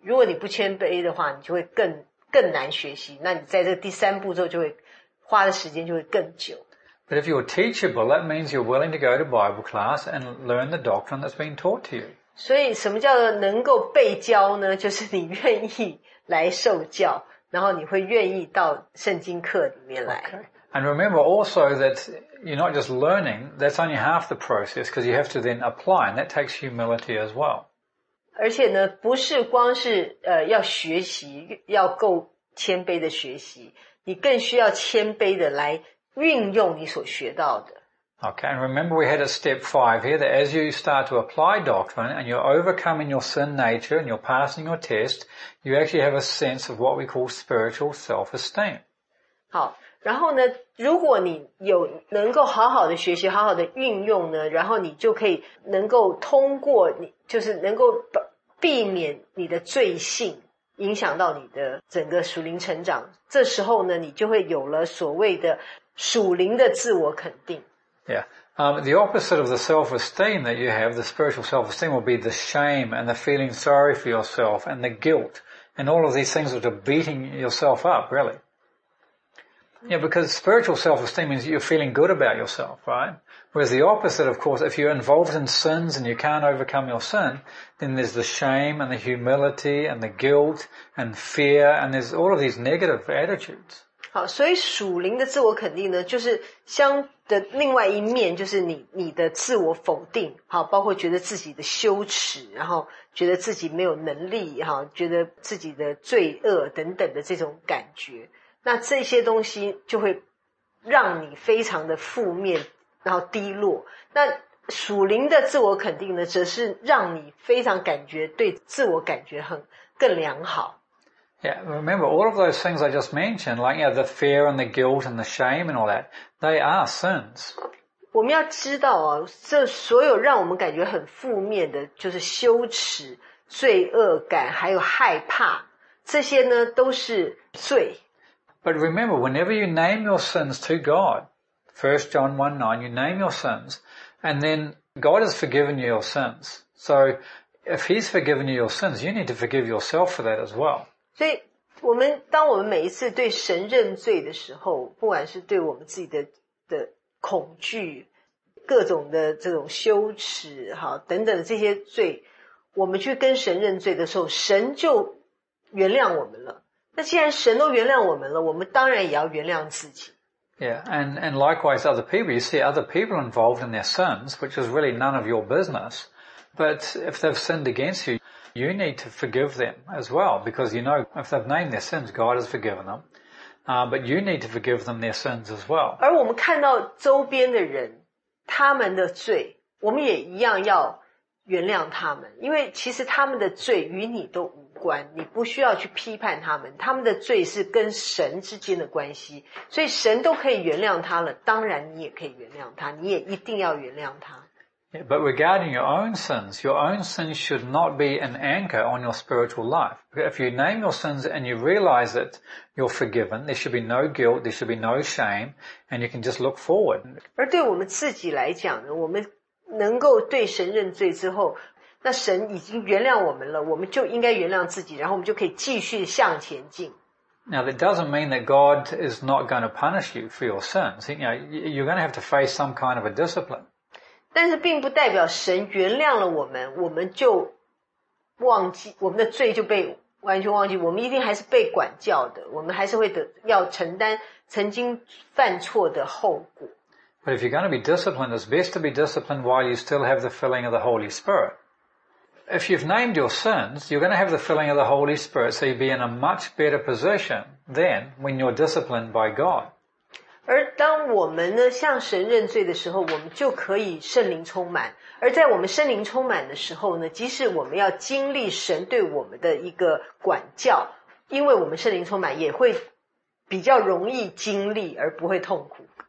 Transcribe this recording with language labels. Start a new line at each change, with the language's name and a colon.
Chinese: 如果你不谦卑的话，你就会更难学习。那你在这第三步骤就会花的时间就会更久。
English: But if you're teachable, that means you're willing to go to Bible class and learn the doctrine that's been taught to you.
Chinese: 所以什么叫做能够被教呢？就是你愿意来受教，然后你会愿意到圣经课里面来。
English: Okay. And remember also that you're not just learning, that's only half the process because you have to then apply, and that takes humility as well.
Chinese: 而且呢，不是光是要学习，要够谦卑的学习，你更需要谦卑的来运用你所学到的。
English: Okay, and remember we had a step five here, that as you start to apply doctrine and you're overcoming your sin nature and you're passing your test, you actually have a sense of what we call spiritual self-esteem.
Chinese: 好，然后呢，如果你有能够好好的学习，好好的运用呢，然后你就可以能够通过，就是能够避免你的罪性影响到你的整个属灵成长，这时候呢，你就会有了所谓的属灵的自我肯定。
English: Yeah. The opposite of the self-esteem that you have, the spiritual self-esteem will be the shame and the feeling sorry for yourself and the guilt and all of these things which are beating yourself up, really. Yeah, because spiritual self-esteem means you're feeling good about yourself, right? Whereas the opposite, of course, if you're involved in sins and you can't overcome your sin, then there's the shame and the humility and the guilt and fear and there's all of these negative attitudes.
Chinese: 好，所以属灵的自我肯定呢，就是相的另外一面，就是你的自我否定，好，包括觉得自己的羞耻，然后觉得自己没有能力，哈，觉得自己的罪恶等等的这种感觉，那这些东西就会让你非常的负面，然后低落。那属灵的自我肯定呢，则是让你非常感觉对自我感觉很更良好。
English: Yeah, remember, all of those things I just mentioned, like, you know, the fear and the guilt and the shame and all that, they are sins.
Chinese: 我们要知道哦，这所有让我们感觉很负面的，就是羞耻、罪恶感，还有害怕，这些呢，都是罪。
English: But remember, whenever you name your sins to God, 1 John 1:9, you name your sins, and then God has forgiven you your sins. So, if He's forgiven you your sins, you need to forgive yourself for that as well.
Chinese: 所以当我们每一次对神认罪的时候，不管是对我们自己的恐惧，各种的这种羞耻等等的这些罪，我们去跟神认罪的时候，神就原谅我们了。那既然神都原谅我们了，我们当然也要原谅自己。
English: Yeah, and likewise other people. You see other people involved in their sins, which is really none of your business. But if they've sinned against you, you need to forgive them as well. Because you know, if they've named their sins, God has forgiven them. But you need to forgive them their sins as well.
Chinese: 而我们看到周边的人，他们的罪，我们也一样要原谅他们。因为其实他们的罪与你都无关，你不需要去批判他们，他们的罪是跟神之间的关系，所以神都可以原谅他了，当然你也可以原谅他，你也一定要原谅他。
English: Yeah, but regarding your own sins, your own sins should not be an anchor on your spiritual life. If you name your sins and you realize that you're forgiven, there should be no guilt, there should be no shame, and you can just look forward.
Chinese: 而对我们自己来讲呢，我们能够对神认罪之后，那神已经原谅我们了，我们就应该原谅自己，然后我们就可以继续向前进。
English: Now that doesn't mean that God is not going to punish you for your sins. You know, you're going to have to face some kind of a discipline.
Chinese: 但是并不代表神原谅了我们，我们就忘记，我们的罪就被完全忘记，我们一定还是被管教的，我们还是会得要承担曾经犯错的后果。
English: But if you're going to be disciplined, it's best to be disciplined while you still have the filling of the Holy Spirit. If you've named your sins, you're going to have the filling of the Holy Spirit, so you'll be in a much better position then when you're disciplined by God.
Chinese: 而当我们呢向神认罪的时候，我们就可以圣灵充满。而在我们圣灵充满的时候呢，即使我们要经历神对我们的一个管教，因为我们圣灵充满，也会比较容易经历而不会痛苦。